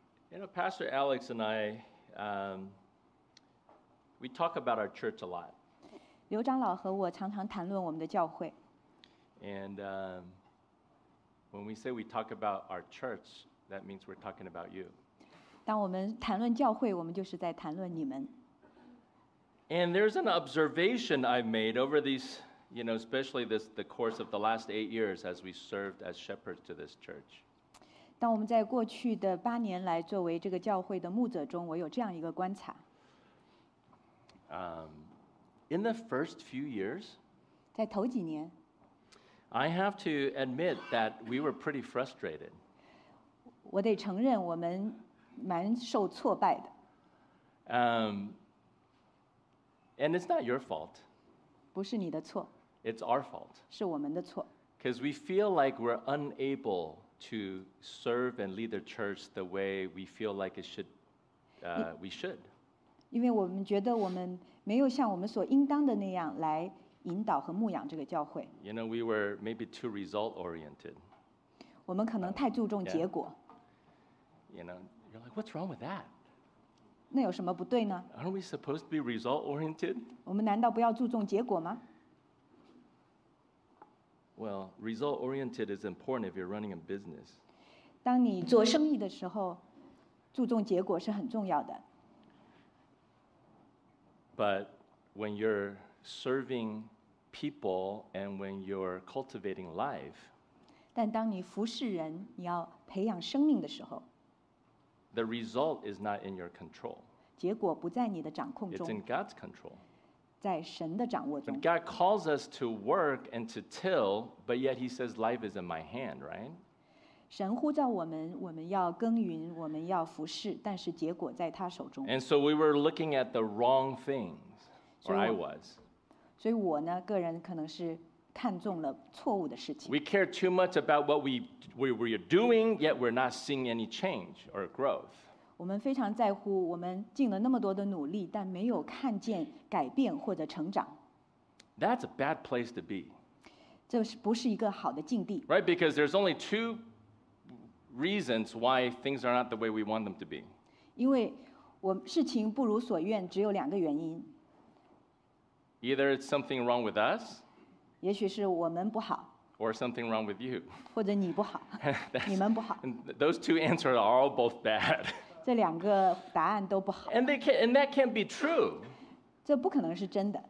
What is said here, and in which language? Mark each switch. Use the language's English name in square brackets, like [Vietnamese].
[English] You know, Pastor Alex and I, we talk about our church a lot. [Chinese] 刘长老和我常常谈论我们的教会。 [English] And when we say we talk about our church, that means we're talking about you. [Chinese] 当我们谈论教会，我们就是在谈论你们。 [English] And there's an observation I've made over these, you know, especially this, the course of the last 8 years as we served as shepherds to this church. [Chinese] 当我们在过去的八年来作为这个教会的牧者中，我有这样一个观察。 [English] In the first few years, [Chinese] 在头几年 [English] I have to admit that we were pretty frustrated. [Chinese] 我得承认我们蛮受挫败的。 [English] And it's not your fault. [Chinese] 不是你的错。 [English] It's our fault. [Chinese] 是我们的错。 [English] Because we feel like we're unable to serve and lead the church the way we feel like it should, we should. [Chinese] 因为我们觉得我们没有像我们所应当的那样来引导和牧养这个教会。 [English] You know, we were maybe too result-oriented. [Chinese] 我们可能太注重结果。 [English] You know, you're like, what's wrong with that? [Chinese] 那有什么不对呢？ [English] Aren't we supposed to be result-oriented? [Chinese] 我们难道不要注重结果吗？ [English] Well, result-oriented is important if you're running a business. [Chinese] 当你做生意的时候，注重结果是很重要的。 [English] But when you're serving people and when you're cultivating life, [Chinese] 但当你服侍人，你要培养生命的时候， [English] The result is not in your control. [Chinese] 结果不在你的掌控中。 [English] It's in God's control. [Chinese] 在神的掌握中。 [English] But God calls us to work and to till, but yet He says life is in my hand, right? [Chinese] 神呼召我们，我们要耕耘，我们要服侍，但是结果在他手中。 [English] And so we were looking at the wrong things, or I was. [Chinese] 所以我呢，个人可能是看中了错误的事情。 [English] We care too much about what we are doing, yet we're not seeing any change or growth. [Chinese] 我们非常在乎，我们尽了那么多的努力，但没有看见改变或者成长。 [English] That's a bad place to be. [Chinese] 这是不是一个好的境地 [English] ？Right, because there's only two reasons why things are not the way we want them to be. [Chinese] 因为我事情不如所愿，只有两个原因。 [English] Either it's something wrong with us. [Chinese] 也许是我们不好 [English] or something wrong with you. [Chinese] 或者你不好，你们不好。 [English] Those two answers are all both bad. [Chinese] 这两个答案都不好。 [English] And that can't be true. [Chinese] 这不可能是真的。